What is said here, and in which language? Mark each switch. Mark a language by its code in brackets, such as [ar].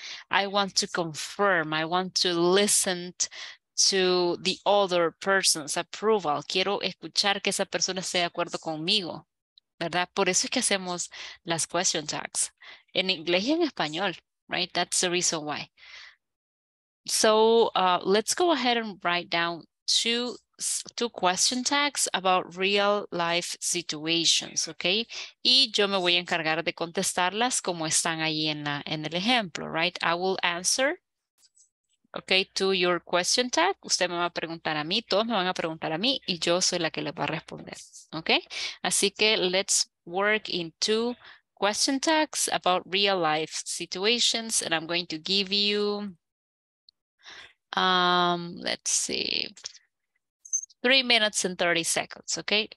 [en] I want to confirm, I want to listen to the other person's approval. [es] Quiero escuchar que esa persona esté de acuerdo conmigo, ¿verdad? Por eso es que hacemos las question tags en inglés y en español. [en] Right, that's the reason why. So let's go ahead and write down two question tags about real life situations, okay? [es] Y yo me voy a encargar de contestarlas como están ahí en la en el ejemplo, right? [en] I will answer, okay, to your question tag. [es] Usted me va a preguntar a mí, todos me van a preguntar a mí y yo soy la que les va a responder, okay? Así que [en] let's work in two question tags about real life situations, and I'm going to give you, let's see, 3 minutes and 30 seconds, okay?